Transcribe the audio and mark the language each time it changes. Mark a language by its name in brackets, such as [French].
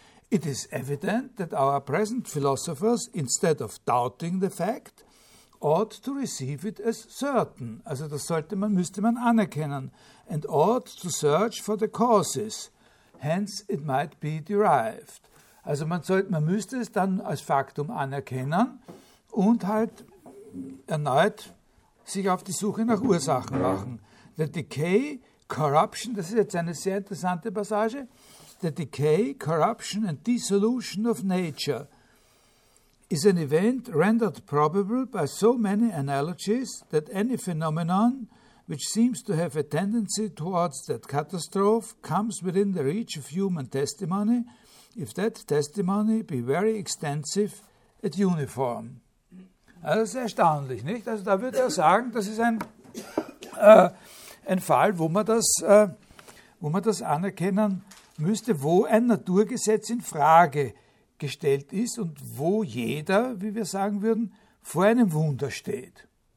[English] It is evident that our present philosophers, instead of doubting the fact, ought to receive it as certain, [German] also das sollte man, müsste man anerkennen, [English] and ought to search for the causes, hence it might be derived. [German] Also man müsste es dann als Faktum anerkennen und halt erneut sich auf die Suche nach Ursachen machen. [English] The decay, corruption, [German] das ist jetzt eine sehr interessante Passage, [English] the decay, corruption and dissolution of nature is an event rendered probable by so many analogies that any phenomenon which seems to have a tendency towards that catastrophe comes within the reach of human testimony, if that testimony be very extensive and uniform. [German] Also das ist erstaunlich, nicht? Also da würde er sagen, das ist ein Fall, wo man das anerkennen müsste, wo ein Naturgesetz in Frage gestellt ist und wo jeder, wie wir sagen würden, vor einem Wunder steht.